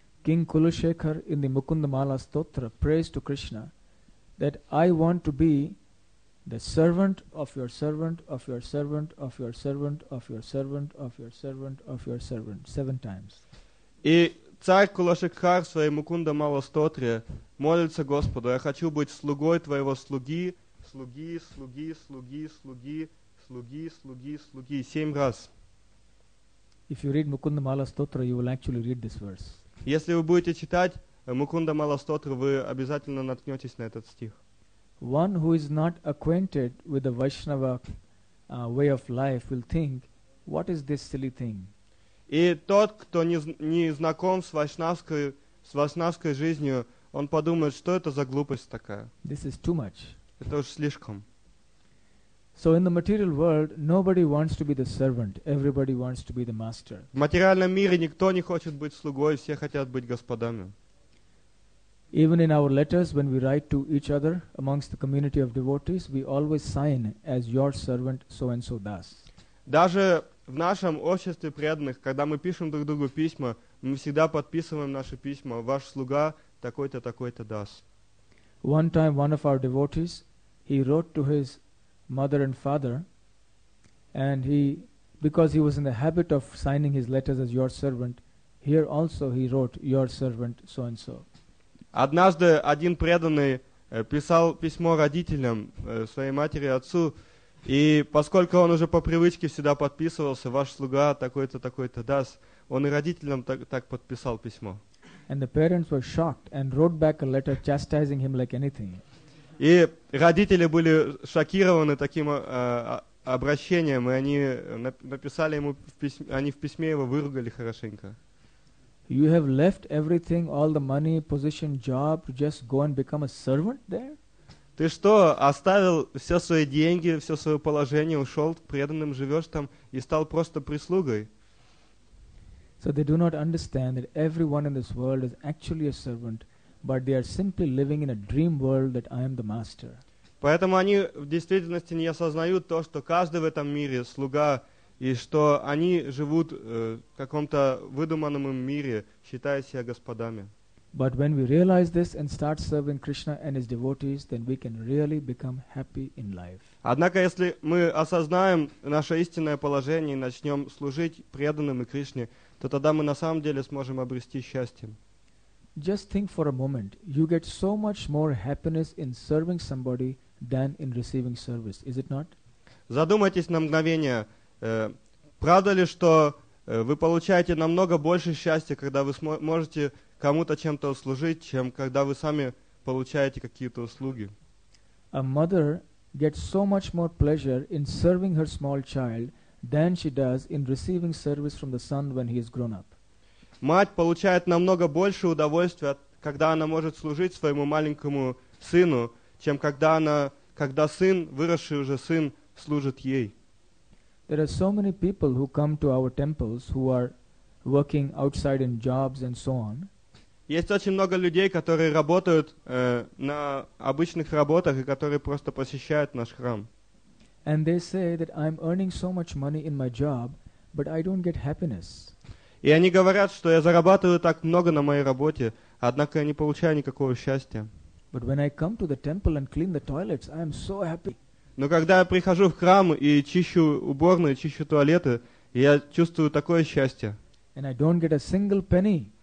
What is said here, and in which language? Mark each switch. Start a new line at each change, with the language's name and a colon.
English: King Kulushekhar in the Mukundamala Stotra prays to Krishna that I want to be the servant of your servant of your servant of your servant of your servant of your servant of your servant 7 times.
Russian: И царь Кулашекхар в своей Мукундамала Стотре молится Господу: я хочу быть слугой твоего слуги, слуги, слуги, слуги, слуги, слуги, слуги, слуги 7 раз.
English: If you read Mukundamala Stotra, you will actually read this verse.
Russian: Если вы будете читать Мукундамала Стотру, вы обязательно наткнетесь на этот стих.
English: One who is not acquainted with the Vaishnava way of life will think, what is this silly thing?
Russian: И тот, кто не знаком с вайшнавской жизнью, он подумает, что это за глупость такая?
English: This is too much.
Russian: Это уж слишком.
English: So in the material world, nobody wants to be the servant. Everybody wants to be the master.
Russian: В материальном мире никто не хочет быть слугой, все хотят быть господами.
English: Even in our letters, when we write to each other amongst the community of devotees, we always sign as your servant so and so does.
Russian: Даже в нашем обществе преданных, когда мы пишем друг другу письма, мы всегда подписываем наши письма: ваш слуга такой-то, такой-то does.
English: One time, one of our devotees, he wrote to his mother and father, and he, because he was in the habit of signing his letters as your servant, here also he wrote your servant so and so.
Russian: Однажды один преданный писал письмо родителям своей матери и отцу, и поскольку он уже по привычке всегда подписывался ваш слуга такой-то такой-то дас, он и родителям так подписал письмо.
English: And the parents were shocked and wrote back a letter chastising him like anything.
Russian: И родители были шокированы таким обращением, и они написали ему в письме его выругали хорошенько.
English: You have left everything, all the money, position, job, to just go and become a servant there?
Russian: Ты что, оставил все свои деньги, все свое положение, ушел к преданным, живешь там и стал просто прислугой?
English: So they do not understand that everyone in this world is actually a servant. But they are simply living in a dream world that I am the master.
Russian: Поэтому они в действительности не осознают то, что каждый в этом мире слуга, и что они живут в каком-то выдуманном им мире, считая себя господами.
English: But when we realize this and start serving Krishna and his devotees, then we can really become happy in life.
Russian: Однако если мы осознаем наше истинное положение и начнем служить преданным и Кришне, то тогда мы на самом деле сможем обрести счастье.
English: Just think for a moment. You get so much more happiness in serving somebody than in receiving service, is it not?
Russian: Задумайтесь на мгновение. Правда ли, что вы получаете намного больше счастья, когда вы можете кому-то чем-то услужить, чем когда вы сами получаете какие-то услуги?
English: A mother gets so much more pleasure in serving her small child than she does in receiving service from the son when he is grown up.
Russian: Мать получает намного больше удовольствия, когда она может служить своему маленькому сыну, чем когда сын, выросший уже сын, служит ей.
English: There are so many people who come to our temples who are working outside in jobs and so on.
Russian: Есть очень много людей, которые работают на обычных работах и которые просто посещают наш храм.
English: And they say that I'm earning so much money in my job, but I don't get happiness.
Russian: И они говорят, что я зарабатываю так много на моей работе, однако я не получаю никакого счастья. Но когда я прихожу в храм и чищу уборные, чищу туалеты, я чувствую такое счастье.
English: And I don't get a single penny.